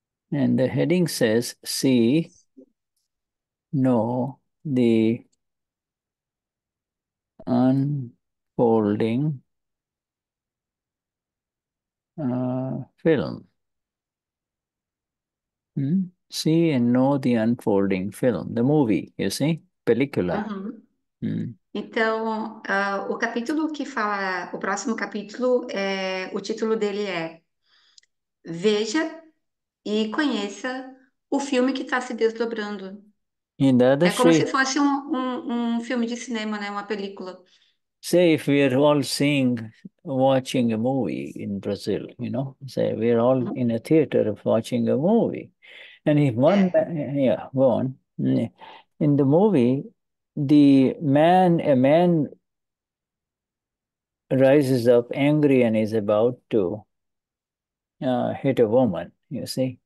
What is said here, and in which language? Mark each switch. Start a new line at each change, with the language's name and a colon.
English: And the heading says, see, know the unfolding film. See and know the unfolding film, the movie, you see?
Portuguese: Película. Uh-huh. Então, o capítulo que fala, o próximo capítulo, é, o título dele é Veja e conheça o filme que está se desdobrando.
English: In the other
Portuguese: é como se fosse um filme de cinema, né? Uma película.
English: Say if we're all seeing, watching a movie in Brazil, you know? Say we're all in a theater of watching a movie. And if one, yeah, go on. In the movie, the man, a man rises up angry and is about to hit a woman, you see?